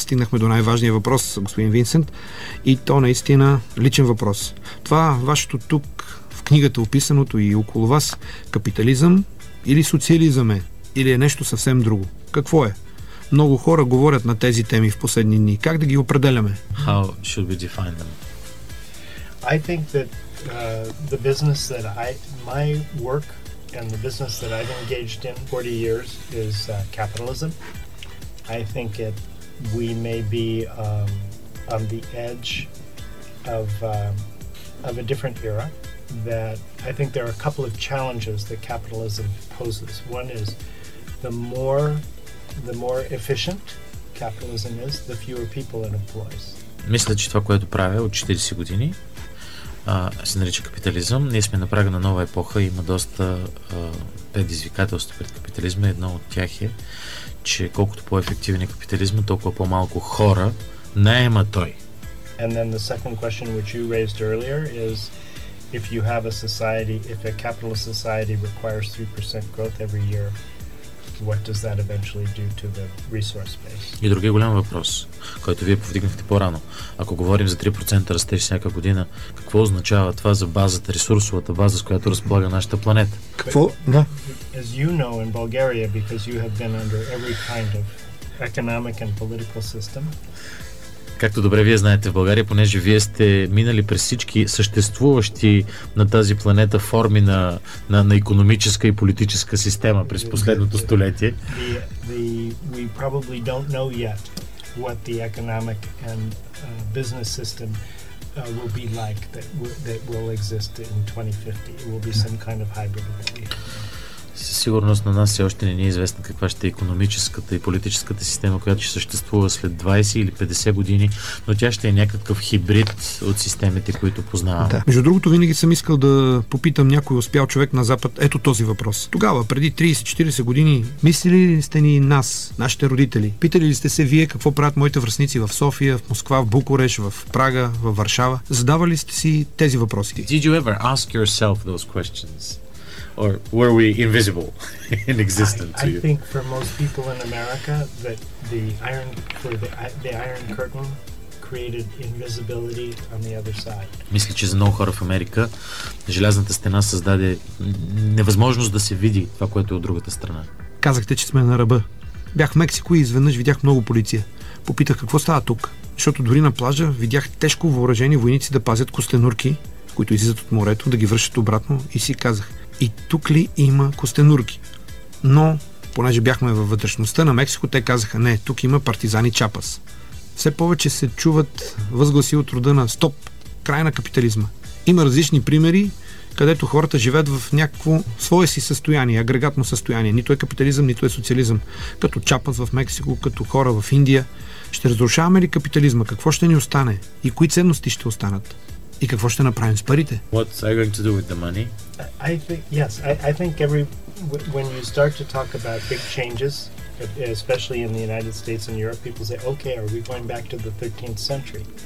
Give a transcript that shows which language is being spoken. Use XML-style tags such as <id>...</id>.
<bg>Стигнахме до най-важния въпрос, господин Винсент. И то наистина личен въпрос. Това вашето тук в книгата описаното и около вас, капитализъм или социализъм е? Или е нещо съвсем друго? Какво е? Много хора говорят на тези теми в последни дни. Как да ги определяме?</bg> <en>How should we define them? I think that the business that I, my work and the business that I've engaged in 40 years is capitalism. I think it, we may be on the edge of a different era, that I think there are a couple of challenges that capitalism poses. One is the more efficient capitalism is, the fewer people it employs.</en> <bg>Мисля, че това, което правя от 40 години, се нарича капитализъм. Ние сме на прага на нова епоха и има доста предизвикателства пред капитализма. Едно от тях е, че колкото по-ефективен е капитализма, толкова по-малко хора наема той.</bg> <en>And then the second question which you raised earlier is if you have a society, if a capitalist society requires 3% growth every year, what does that eventually do to the resource base?</en> <bg>И другия голям въпрос, който вие повдигнахте по-рано. Ако говорим за 3% растеж всяка година, какво означава това за базата, ресурсовата база, с която разполага нашата планета? Какво? Да.</bg> <en>As you know in Bulgaria, because you have been under every kind of economic and political system.</en> <bg>Както добре вие знаете, в България, понеже вие сте минали през всички съществуващи на тази планета форми на икономическа и политическа система през последното столетие.</bg> <en>We probably don't know yet what the economic and business system will be like that will exist in 2050. It will be some kind of hybrid.</en> <bg>Със сигурност на нас все още не ни е известна каква ще е икономическата и политическата система, която ще съществува след 20 или 50 години, но тя ще е някакъв хибрид от системите, които познаваме. Да. Между другото, винаги съм искал да попитам някой успял човек на Запад ето този въпрос. Тогава, преди 30-40 години, мислили ли сте ни нас, нашите родители? Питали ли сте се вие какво правят моите връзници в София, в Москва, в Букурещ, в Прага, в Варшава? Задавали сте си тези въпроси?</bg> <en>Did you ever ask yourself those questions? Or were we invisible in existence? I think for most people in America that the iron curtain created invisibility on the other side.</en> <bg>Мисля, че за много хора в Америка желязната стена създаде невъзможност да се види това, което е от другата страна. Казахте, че сме на ръба. Бях в Мексико и изведнъж видях много полиция. Попитах какво става тук, защото дори на плажа видях тежко въоръжени войници да пазят костенурки, които излизат от морето, да ги връщат обратно и си казах, и тук ли има костенурки? Но, понеже бяхме във вътрешността на Мексико, те казаха, не, тук има партизани Чапас. Все повече се чуват възгласи от рода на стоп, край на капитализма. Има различни примери, където хората живеят в някакво свое си състояние, агрегатно състояние. Нито е капитализъм, нито е социализъм. Като Чапас в Мексико, като хора в Индия. Ще разрушаваме ли капитализма? Какво ще ни остане? И кои ценности ще останат? И какво ще направим с парите?</bg> <en>What's I going to do with the money? I think every when you start to talk about big changes, especially in the United States and Europe, people say, okay, are we going back to the 13th century?</en>